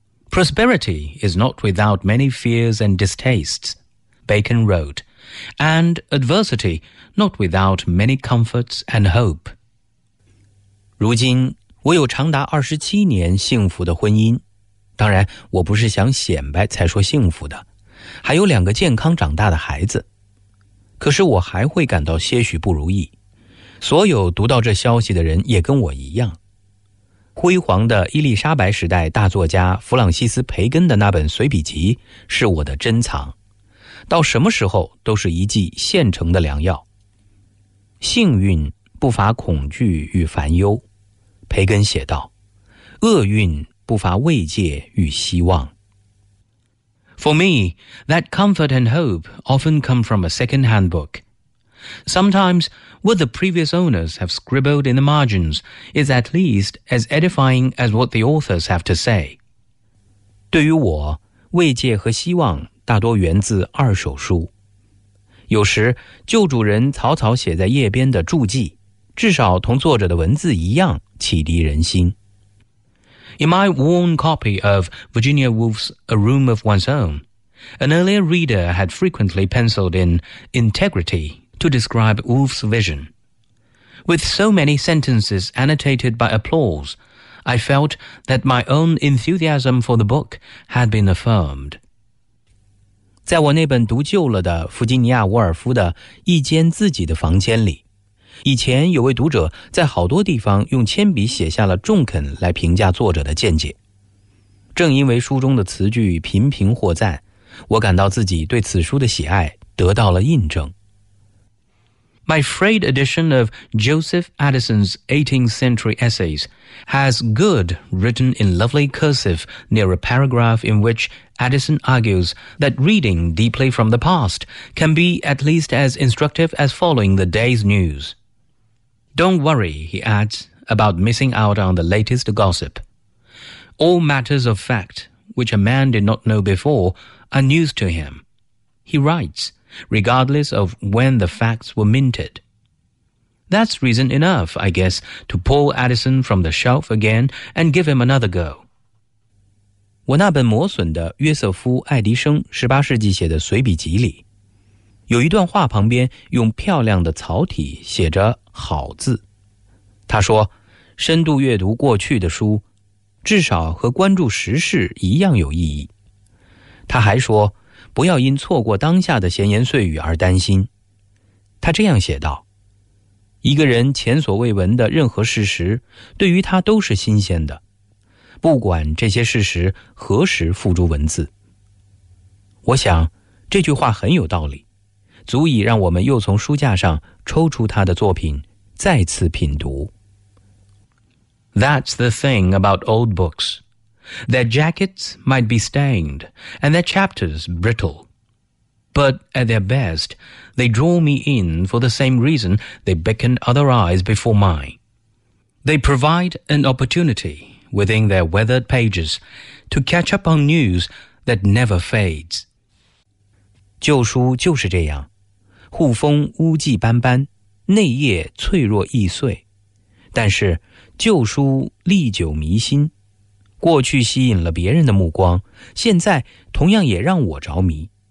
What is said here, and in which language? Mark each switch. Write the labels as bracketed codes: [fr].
[en] Prosperity is not without many fears and distastes, Bacon wrote. And adversity, not without many comforts and hope. [zh] 如今，我有长达27年幸福的婚姻，当然，我不是想显摆才说幸福的，还有两个健康长大的孩子。可是我还会感到些许不如意，所有读到这消息的人也跟我一样。辉煌的伊丽莎白时代大作家弗朗西斯·培根的那本随笔集是我的珍藏。到什么时候都是一剂现成的良药。幸运不乏恐惧与烦忧，培根写道，厄运不乏慰藉与希望。 [en] For me, that comfort and hope often come from a second-hand book. Sometimes, what the previous owners have scribbled in the margins is at least as edifying as what the authors have to say. [zh] 对于我，慰藉和希望大多源自二手书，有时旧主人草草写在页边的注记，至少同作者的文字一样启迪人心。 [en] In my worn copy of Virginia Woolf's A Room of One's Own, An earlier reader had frequently penciled in integrity to describe Wolfe's vision. With so many sentences annotated by applause, I felt that my own enthusiasm for the book had been affirmed. [zh] 在我那本读旧了的弗吉尼亚·沃尔夫的一间自己的房间里，以前有位读者在好多地方用铅笔写下了中肯来评价作者的见解。正因为书中的词句频频获赞，我感到自己对此书的喜爱得到了印证。 [en] My frayed edition of Joseph Addison's 18th century essays has good written in lovely cursive near a paragraph in which Addison argues that reading deeply from the past can be at least as instructive as following the day's news. Don't worry, he adds, about missing out on the latest gossip. All matters of fact, which a man did not know before, are news to him. He writes,regardless of when the facts were minted. That's reason enough, I guess, to pull Addison from the shelf again and give him another go. [zh] 我那本磨损的约瑟夫·爱迪生18世纪写的随笔集里，有一段话旁边用漂亮的草体写着好字。他说，深度阅读过去的书，至少和关注时事一样有意义。他还说，不要因错过当下的闲言碎语而担心。他这样写道，一个人前所未闻的任何事实对于他都是新鲜的，不管这些事实何时付诸文字。我想这句话很有道理，足以让我们又从书架上抽出他的作品再次品读。 [en] That's the thing about old booksTheir jackets might be stained, and their chapters brittle. But at their best, they draw me in for the same reason they beckon other eyes before mine. They provide an opportunity within their weathered pages to catch up on news that never fades. [zh] 旧书就是这样，护封污迹斑斑，内页脆弱易碎。但是旧书历久弥新。过去吸引了别人的目光，现在同样也让我着迷。